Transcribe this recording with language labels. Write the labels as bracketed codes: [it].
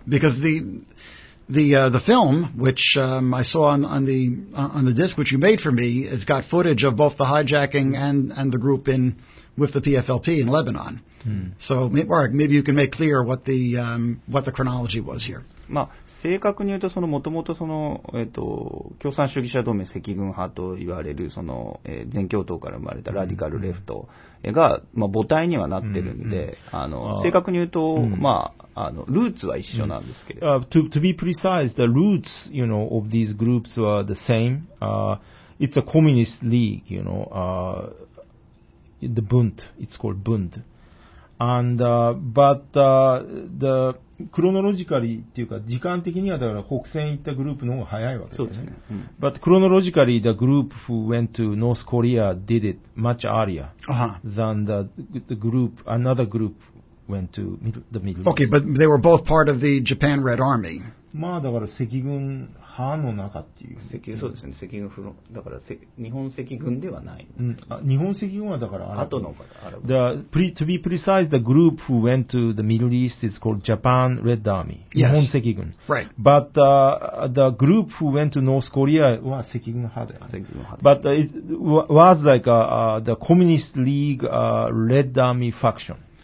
[en] Because the film, which I saw on the disc which you made for me, has got footage of both the hijacking and the group in with the PFLP in Lebanon. Mm. So, Mark, maybe you can make clear what the chronology was here. [ja] まあ、正確に言うと、その元々その、共産主義者同盟赤軍派と言われる、その、全共闘から生まれたラディカルレフトが、mm. まあ、母体にはなってるんで、mm. あの、正確に言うと、まあ、あの、ルーツは一緒なんですけれど。 [en] To be precise, the roots, you know, of these groups were the same. It's a communist league, you know, the Bund. It's called Bund. And, but, the, chronologically, [ja] っていうか、時間的には、だから、北線行ったグループの方が早いわけですね。そうですね。うん、 [en] but, chronologically, the group who went to North Korea did it much earlier、uh-huh. than the group, another group went to the Middle East. Okay, but they were both part of the Japan Red Army. [ja] まあ、だから、赤軍派の中っていう。そうですね、赤軍フロン、だから、日本赤軍ではない。うん、あ、日本赤軍はだから、後のアラブ。 [en] To be precise, the group who went to the Middle East is called Japan Red Army. Yes. [ja] 日本赤軍。 [en] Right. But, the group who went to North Korea [ja] は赤軍派だよ、ね。赤軍派だ、ね。 [en] But, it was like, the Communist League, Red Army faction.